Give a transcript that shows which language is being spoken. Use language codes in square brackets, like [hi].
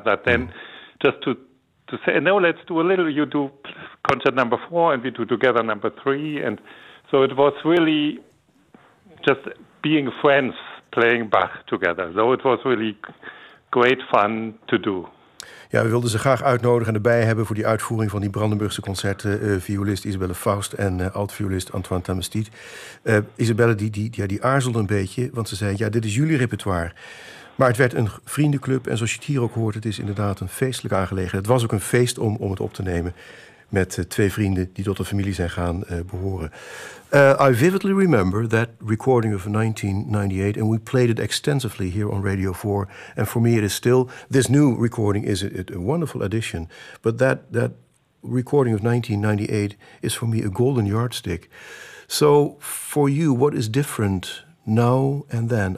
[en] But then just to say, no, let's do a little. You do concert number 4, and we do together number 3. And so it was really just being friends playing Bach together. So it was really great fun to do. [nl] Ja, we wilden ze graag uitnodigen en erbij hebben voor die uitvoering van die Brandenburgse concerten. Violist Isabelle Faust en altviolist Antoine Tamestit. Isabelle die aarzelde een beetje, want ze zei, ja, dit is jullie repertoire. Maar het werd een vriendenclub en zoals je het hier ook hoort, het is inderdaad een feestelijke aangelegenheid. Het was ook een feest om het op te nemen met twee vrienden die tot de familie zijn gaan behoren. [en] I vividly remember that recording of 1998, and we played it extensively here on Radio 4. And for me, it is still, this new recording is a wonderful addition. But that recording of 1998 is for me a golden yardstick. So for you, what is different now and then?